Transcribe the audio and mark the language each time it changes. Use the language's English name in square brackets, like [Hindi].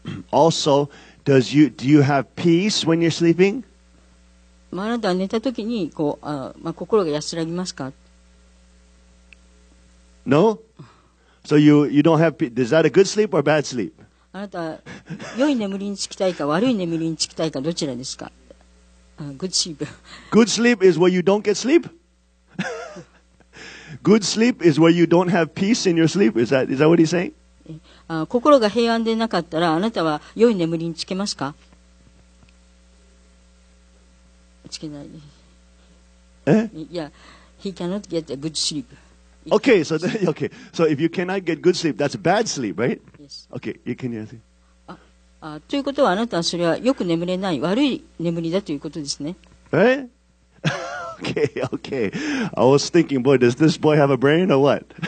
[English] Also, do you have peace when you're sleeping? [Japanese] あなたは寝た時にこう、心が安らぎますか? [English] No? So you don't have peace. Is that a good sleep or bad sleep? [Japanese] あなたは良い眠りにつきたいか悪い眠りにつきたいかどちらですか? [English] Good sleep. Good sleep is where you don't get sleep? Good sleep is where you don't have peace in your sleep. Is that what he's saying? [Japanese] 心が平安でなかったら、あなたは良い眠りにつけますか？つけない。 [English] Yeah, he cannot get a good sleep. Okay, so okay. So if you cannot get good sleep, that's bad sleep, right? Yes. Okay, you can hear me. [Japanese] ということはあなたはそれは良く眠れない悪い眠りだということですね。 [English] Okay. I was thinking, boy, does this boy have a brain or what?